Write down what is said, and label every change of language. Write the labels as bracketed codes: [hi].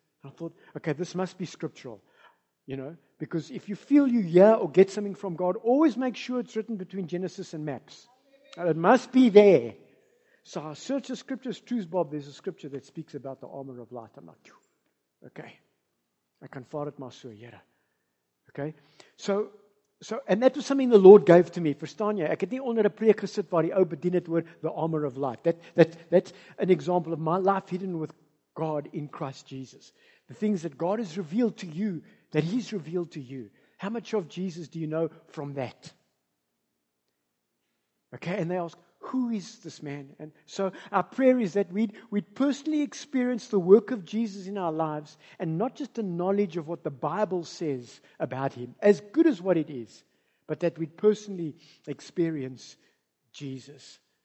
[en] And I thought, okay, this must be scriptural. You know, because if you feel you hear or get something from God, always make sure it's written between Genesis and maps. And it must be there. So I searched the scriptures. Truth, Bob, there's a scripture that speaks about the armor of light. I'm like, phew. Okay. I can fart at my sur here. Okay. So and that was something the Lord gave to me. [af] Verstaan jy? Ek het nie onder 'n preek gesit waar die ou bedien het oor [en] the armor of light. That's an example of my life hidden with God in Christ Jesus. The things that God has revealed to you, that He's revealed to you. How much of Jesus do you know from that? Okay, and they ask, who is this man? And so our prayer is that we'd personally experience the work of Jesus in our lives and not just a knowledge of what the Bible says about Him, as good as what it is, but that we'd personally experience Jesus.